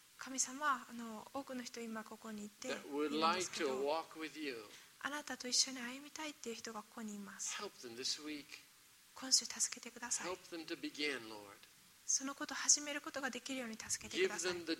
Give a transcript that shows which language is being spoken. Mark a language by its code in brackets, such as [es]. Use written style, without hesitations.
[ja] 神様、多くの人今ここにいて、 [en] That would like to walk with you. [ja] あなたと一緒に歩みたいっていう人がここにいます。 [en] Help them this week. [ja] 今週助けてください。 [en] Help them to begin, Lord. [ja] そのことを始めることができるように助けてください。